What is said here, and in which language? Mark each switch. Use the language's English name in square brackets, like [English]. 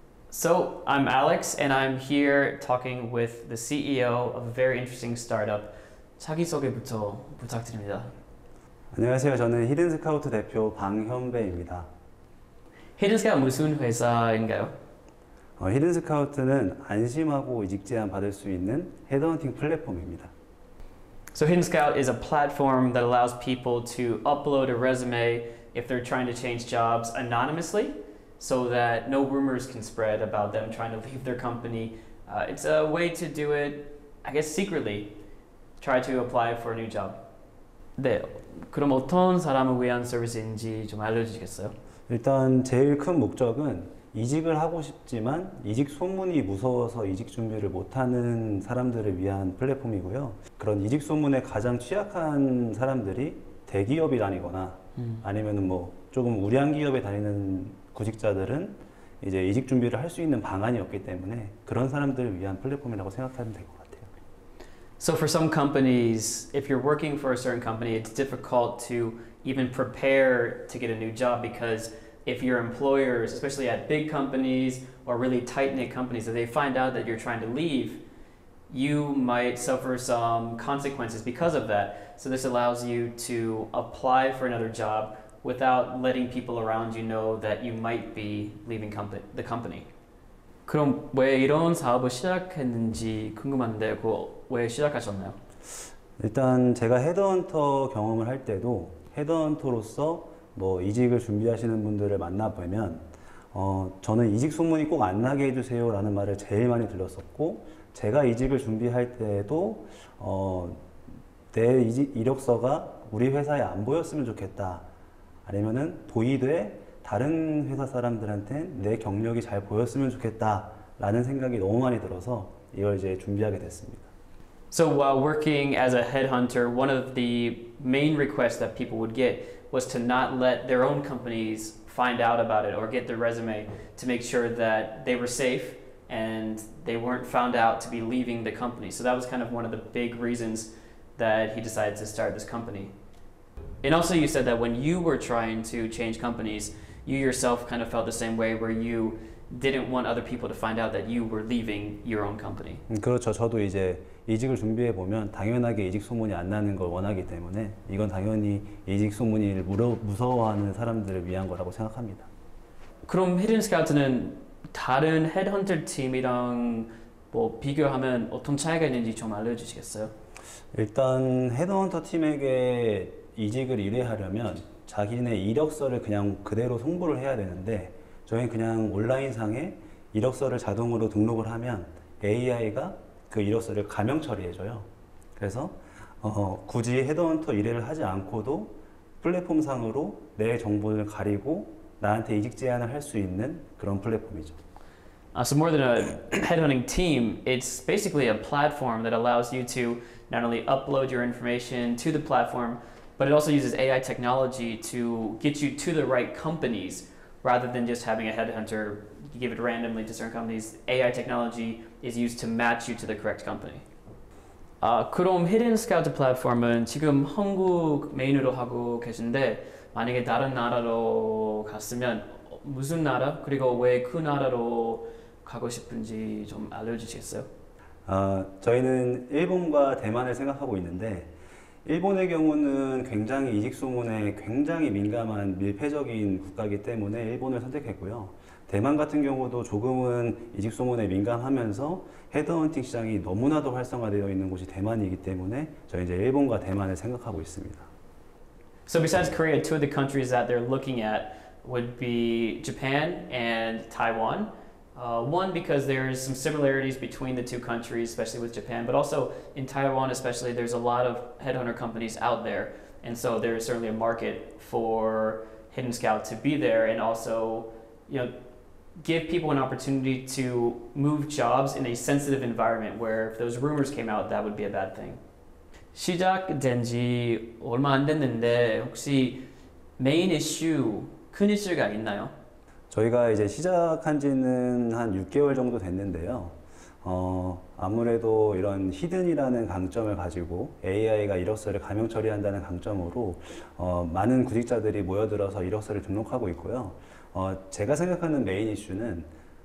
[English] So I'm Alex, and I'm here talking with the CEO of a very interesting startup. [Korean] 자기소개부터 부탁드립니다. 안녕하세요. 저는 히든 스카우트 대표 방현배입니다. 히든 스카우트 무슨 회사인가요? 히든 스카우트는 안심하고 이직 제안 받을 수 있는 헤드헌팅 플랫폼입니다. [English] So Hidden Scout is a platform that allows people to upload a resume if they're trying to change jobs anonymously so that no rumors can spread about them trying to leave their company. It's a way to do it, I guess, secretly, try to apply for a new job. [Korean] 네, 그럼 어떤 사람을 위한 서비스인지 좀 알려주시겠어요? 일단 제일 큰 목적은 이직을 하고 싶지만 이직 소문이 무서워서 이직 준비를 못하는 사람들을 위한 플랫폼이고요. 그런 이직 소문에 가장 취약한 사람들이 대기업이 다니거나 아니면 뭐 조금 우량 기업에 다니는 구직자들은 이제 이직 준비를 할 수 있는 방안이 없기 때문에 그런 사람들을 위한 플랫폼이라고 생각하면 될 것 같아요. [English] So for some companies, if you're working for a certain company, it's difficult to even prepare to get a new job because if your employers, especially at big companies or really tight-knit companies, if they find out that you're trying to leave, you might suffer some consequences because of that. So this allows you to apply for another job without letting people around you know that you might be leaving the company. [Korean] 그럼 왜 이런 사업을 시작했는지 궁금한데 그걸 왜 시작하셨나요? 일단 제가 헤드헌터 경험을 할 때도 헤드헌터로서 뭐 이직을 준비하시는 분들을 만나보면 저는 이직 소문이 꼭 안 나게 해주세요 라는 말을 제일 많이 들었었고 제가 이직을 준비할 때에도 내 이력서가 우리 회사에 안 보였으면 좋겠다 아니면은 도의돼 다른 회사 사람들한테 내 경력이 잘 보였으면 좋겠다 라는 생각이 너무 많이 들어서 이걸 이제 준비하게 됐습니다. [English] So while working as a headhunter, one of the main requests that people would get was to not let their own companies find out about it or get their resume to make sure that they were safe and they weren't found out to be leaving the company. So that was kind of one of the big reasons that he decided to start this company. And also you said that when you were trying to change companies, you yourself kind of felt the same way where you didn't want other people to find out that you were leaving your own company. [Korean] 그렇죠. 저도 이제 이직을 준비해 보면 당연하게 이직 소문이 안 나는 걸 원하기 때문에 이건 당연히 이직 소문이 무서워하는 사람들을 위한 거라고 생각합니다. 그럼 히든 스카우트는 다른 헤드헌터 팀이랑 뭐 비교하면 어떤 차이가 있는지 좀 알려주시겠어요? 일단 헤드헌터 팀에게 이직을 의뢰하려면 자기네 이력서를 그냥 그대로 송부를 해야 되는데 저희 그냥 온라인상에 이력서를 자동으로 등록을 하면 AI가 그 이력서를 가명 처리해줘요. 그래서 굳이 헤드헌터 의뢰를 하지 않고도 플랫폼상으로 내 정보를 가리고 나한테 이직 제안을 할 수 있는 그런 플랫폼이죠. [English] So more than a headhunting team, it's basically a platform that allows you to not only upload your information to the platform, but it also uses AI technology to get you to the right companies. Rather than just having a headhunter give it randomly to certain companies, AI technology is used to match you to the correct company. [Korean] 그럼 히든 스카우트 플랫폼은 지금 한국 메인으로 하고 계신데 만약에 다른 나라로 갔으면 무슨 나라 그리고 왜 그 나라로 가고 싶은지 좀 알려주시겠어요? 저희는 일본과 대만을 생각하고 있는데 일본의 경우는 굉장히 이직 소문에 굉장히 민감한 밀폐적인 국가이기 때문에 일본을 선택했고요. 대만 같은 경우도 조금은 이직 소문에 민감하면서 헤드헌팅 시장이 너무나도 활성화되어 있는 곳이 대만이기 때문에 저희 이제 일본과 대만을 생각하고 있습니다. [English] So besides Korea, two of the countries that they're looking at would be Japan and Taiwan. One, because there's some similarities between the two countries, especially with Japan, but also in Taiwan especially, there's a lot of headhunter companies out there. And so there's certainly a market for Hidden Scout to be there and also, you know, give people an opportunity to move jobs in a sensitive environment where if those rumors came out, that would be a bad thing. [Korean] 시작된 지 얼마 안 됐는데 혹시 메인 이슈, 큰 이슈가 있나요? 저희가 이제 시작한 지는 한 6개월 정도 됐는데요. 아무래도 이런 히든이라는 강점을 가지고 AI가 이력서를 가명 처리한다는 강점으로 많은 구직자들이 모여들어서 이력서를 등록하고 있고요. 제가 생각하는 메인 이슈는